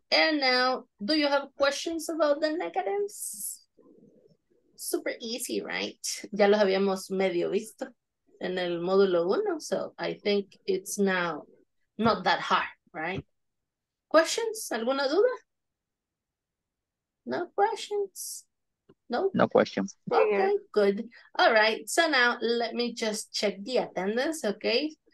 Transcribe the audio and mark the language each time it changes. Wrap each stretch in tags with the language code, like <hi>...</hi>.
<en>And now, do you have questions about the negatives? Super easy, right?</en> <es>Ya los habíamos medio visto en el módulo uno.</es> <en>So I think it's now not that hard, right? Questions?</en> <es>¿Alguna duda?</es> <en>No questions. Nope. No questions. Okay, good. All right. So now let me just check the attendance, okay?</en>